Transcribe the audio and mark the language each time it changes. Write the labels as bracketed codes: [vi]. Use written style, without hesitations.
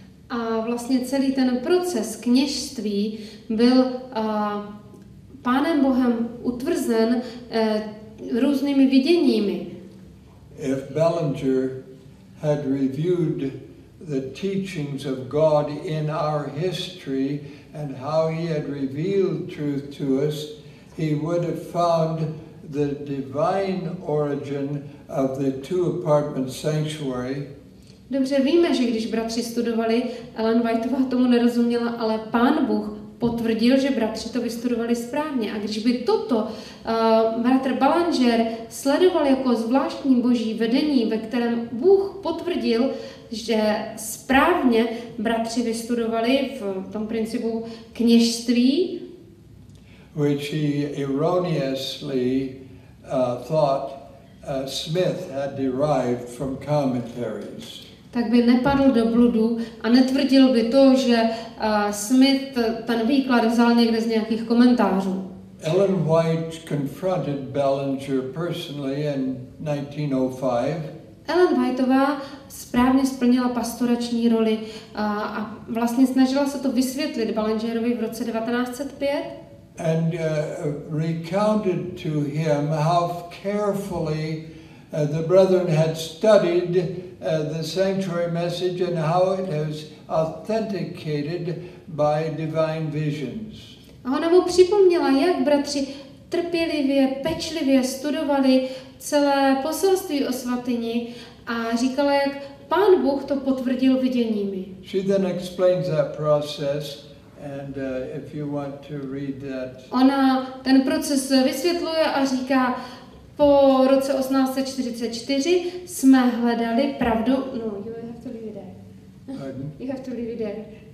[cs] A vlastně celý ten proces kněžství byl Pánem Bohem utvrzen různými viděními. [en] If Ballinger had reviewed the teachings of God in our history and how he had revealed truth to us, he would have found the divine origin of the two apartment sanctuary. [cs] Dobře víme, že když bratři studovali, Ellen Whiteová tomu nerozuměla, ale Pán Bůh potvrdil, že bratři to vystudovali správně. A když by toto bratr Ballinger sledoval jako zvláštní boží vedení, ve kterém Bůh potvrdil, že správně bratři vystudovali v tom principu kněžství, [en] which he erroneously thought Smith had derived from commentaries, [cs] tak by nepadl do bludu a netvrdil by to, že Smith ten výklad vzal někde z nějakých komentářů. [en] Ellen White confronted Ballinger personally in 1905. [cs] Ellen Whiteová správně splnila pastorační roli a vlastně snažila se to vysvětlit Ballingerovi v roce 1905. [en] And recounted to him how carefully the brethren had studied the sanctuary message and how it is authenticated by divine visions. [cs] A ona mu připomněla, jak bratři trpělivě, pečlivě studovali celé poselství o svatyni a říkala, jak Pán Bůh to potvrdil viděními. [en] She then explains that process, and if you want to read that. [cs] Ona ten proces vysvětluje a říká, po roce 1844 jsme hledali pravdu. [en] No, you have to leave it there. Pardon? You have to leave it there.